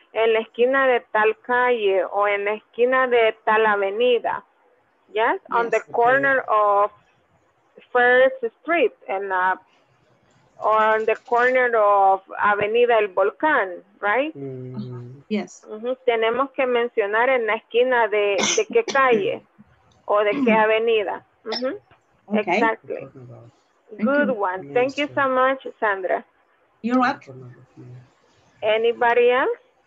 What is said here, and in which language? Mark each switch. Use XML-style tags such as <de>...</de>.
<es>En la esquina de tal calle o en la esquina de tal avenida.</es> <en>Yes, on the corner of First Street and on the corner of Avenida El Volcán, right? Mm-hmm. Yes. Mm-hmm.</en> <es>Tenemos que mencionar en la esquina de qué calle o de qué avenida. Mm-hmm.</es> <en>Okay. Exactly. Good one. Thank you so much, Sandra. You're welcome. Anybody else?</en>